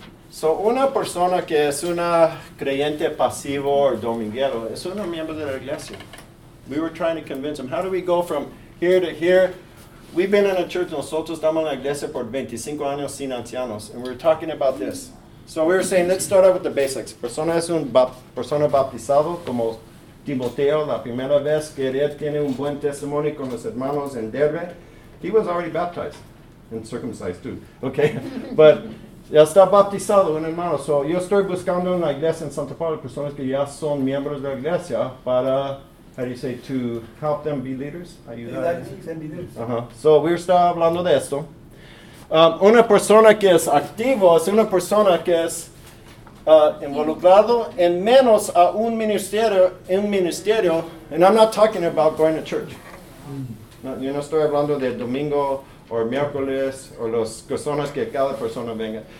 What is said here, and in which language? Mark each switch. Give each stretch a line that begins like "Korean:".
Spanish: So, una persona que es una creyente pasivo o dominguero es un miembro de la iglesia.
English: We were trying to convince him. How do we go from here to here? We've been in a church,
Spanish: nosotros estamos en la iglesia por 25 años sin ancianos,
English: and we were talking about this. So, we were saying, let's start out with the basics.
Spanish: Persona es un persona bautizado, como Timoteo, la primera vez que él tiene un buen testimonio con los hermanos en Derbe.
English: He was already baptized and circumcised too, okay?
Spanish: But ya está bautizado un hermano. So yo estoy buscando en la iglesia en Santa Paula personas que ya son miembros de la iglesia para,
English: how do you say, to help them be leaders?
Spanish: So we está hablando de esto. Una persona que es activo es una persona que es involucrado en menos a un ministerio.
English: And I'm not talking about going to church.
Spanish: Yo no estoy hablando de domingo o miércoles, o las personas que cada persona venga.